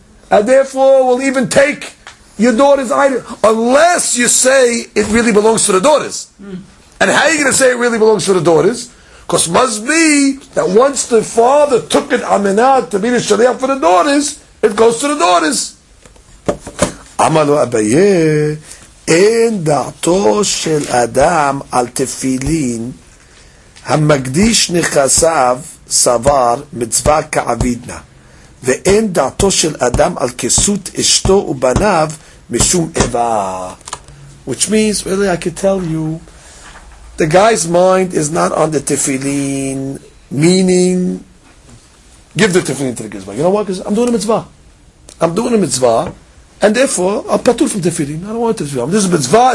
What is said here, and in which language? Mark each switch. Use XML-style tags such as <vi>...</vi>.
<en>And therefore, we'll even take your daughter's item. Unless you say it really belongs to the daughters. Mm. And how are you going to say it really belongs to the daughters? Because must be that once the father took it amenat to be the shaliach for the daughters, it goes to the daughters.</en> <he>Amalu Abaye. אין דעתו של אדם על תפילין המקדיש נכסיו סבר מצווה כעבידנה ואין דעתו של אדם על כסות אשתו ובניו משום איבה.</he> <en>Which means, really I can tell you, the guy's mind is not on the tefillin, meaning, give the tefillin to the gizbar. You know what? Because I'm doing a mitzvah. And therefore, I'm patur from tefillin. I don't want tefillin. This is a mitzvah.</en>